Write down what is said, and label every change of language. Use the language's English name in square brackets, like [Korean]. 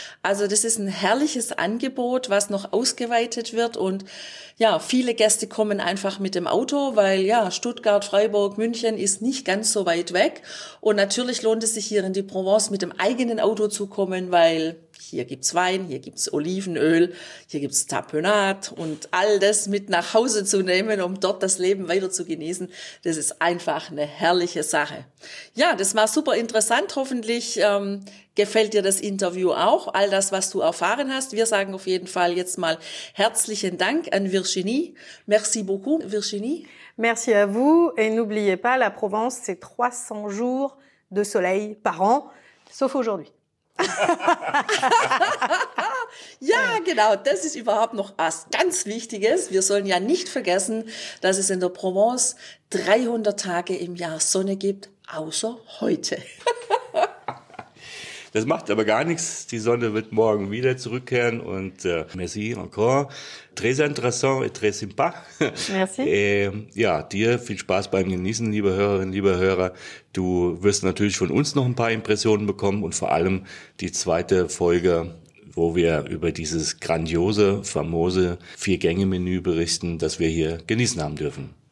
[German] Also das ist ein herrliches Angebot, was noch ausgeweitet wird und ja, viele Gäste kommen einfach mit dem Auto, weil ja, Stuttgart, Freiburg, München ist nicht ganz so weit weg und natürlich lohnt es sich hier in die Provence mit dem eigenen Auto zu kommen, weil hier gibt's Wein, hier gibt's Olivenöl, hier gibt's Tapenade und all das mit nach Hause zu nehmen, um dort das Leben weiter zu genießen, das ist einfach eine herrliche Sache. Ja, das war super interessant. Hoffentlich gefällt dir das Interview auch, all das, was du erfahren hast. Wir sagen auf jeden Fall jetzt mal herzlichen Dank an Virginie. [French] Merci beaucoup, Virginie. Merci à vous et n'oubliez pas, la Provence, c'est 300 jours de soleil par an, sauf aujourd'hui. [German] Ja, genau, das ist überhaupt noch was ganz Wichtiges. Wir sollen ja nicht vergessen, dass es in der Provence 300 Tage im Jahr Sonne gibt, außer heute. Das macht aber gar nichts. Die Sonne wird morgen wieder zurückkehren und [French] merci encore. Très intéressant et très sympa. Merci. [German] Ja, dir viel Spaß beim Genießen, liebe Hörerinnen, lieber Hörer. Du wirst natürlich von uns noch ein paar Impressionen bekommen und vor allem die zweite Folge, wo wir über dieses grandiose, famose Vier-Gänge-Menü berichten, das wir hier genießen haben dürfen.